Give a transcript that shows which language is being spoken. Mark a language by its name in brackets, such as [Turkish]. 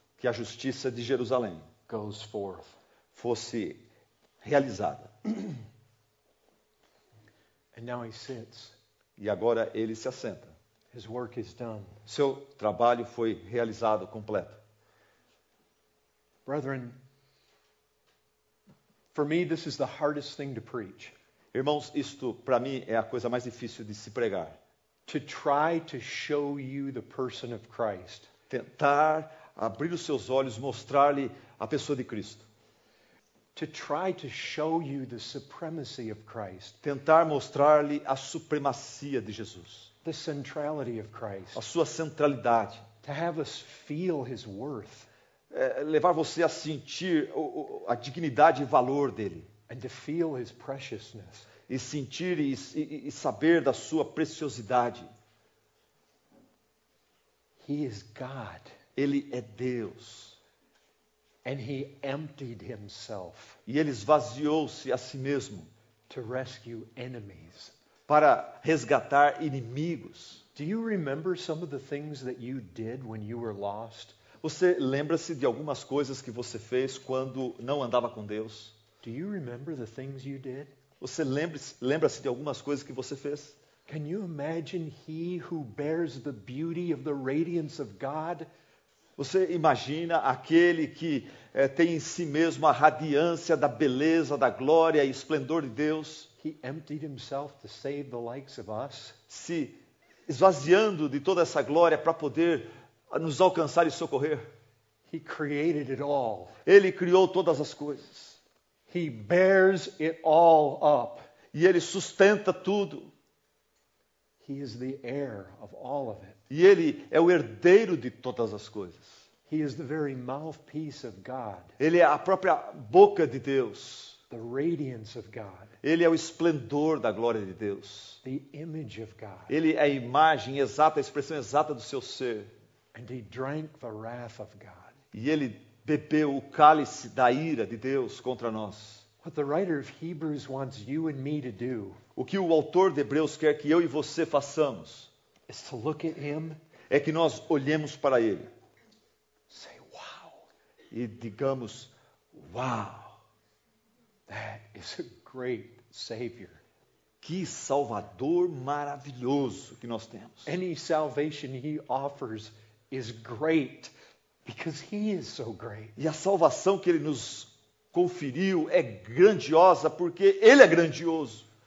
[Portuguese] Que a justiça de Jerusalém. [English] Goes forth. [Portuguese] Fosse realizada. [English] And now he sits. [Portuguese] E agora ele se assenta. [English] His work is done. [Portuguese] Seu trabalho foi realizado completo. [English] Brethren, for me this is the hardest thing to preach. [Portuguese] Irmãos, isto para mim é a coisa mais difícil de se pregar. [English] To try to show you the person of Christ. [Portuguese] Tentar abrir os seus olhos, mostrar-lhe a pessoa de Cristo. [English] To try to show you the supremacy of Christ. [Portuguese] Tentar mostrar-lhe a supremacia de Jesus. [English] The centrality of Christ. [Portuguese] A sua centralidade. [English] To have us feel his worth. [Portuguese] Levar você a sentir a dignidade e valor dele. [English] And to feel his preciousness. [Portuguese] E sentir e saber da sua preciosidade. [English] He is God. [Portuguese] Ele é Deus. [English] And he emptied himself. [Portuguese] E ele esvaziou-se a si mesmo. [English] To rescue enemies. [Portuguese] Para resgatar inimigos. [English] Do you remember some of the things that you did when you were lost? [Portuguese] Você lembra-se de algumas coisas que você fez quando não andava com Deus? [English] Do you remember the things you did? [Portuguese] Você lembra-se de algumas coisas que você fez? [English] Can you imagine he who bears the beauty of the radiance of God? [Portuguese] Você imagina aquele que tem em si mesmo a radiância da beleza, da glória e esplendor de Deus? [English] He emptied himself to save the likes of us. [Portuguese] Se esvaziando de toda essa glória para poder nos alcançar e socorrer. [English] He created it all. [Portuguese] Ele criou todas as coisas. [English] He bears it all up. [Portuguese] E ele sustenta tudo. [English] He is the heir of all of it. [Portuguese] E ele é o herdeiro de todas as coisas. [English] He is the very mouthpiece of God. [Portuguese] Ele é a própria boca de Deus. [English] The radiance of God. [Portuguese] Ele é o esplendor da glória de Deus. [English] The image of God. [Portuguese] Ele é a imagem exata, a expressão exata do seu ser. [English] And he drank the wrath of God. [Portuguese] E ele bebeu o cálice da ira de Deus contra nós. [English] What the writer of Hebrews wants you and me to do. [Portuguese] O que o autor de Hebreus quer que eu e você façamos [English] is to look at him, [Portuguese] é que nós olhemos para ele. [English] Say, wow. [Portuguese] E digamos, uau. [English] That is a great savior. [Portuguese] Que salvador maravilhoso que nós temos. [English] Any salvation he offers is great because he is so great. [Portuguese] E a salvação que ele nos conferiu é grandiosa porque ele é grandioso.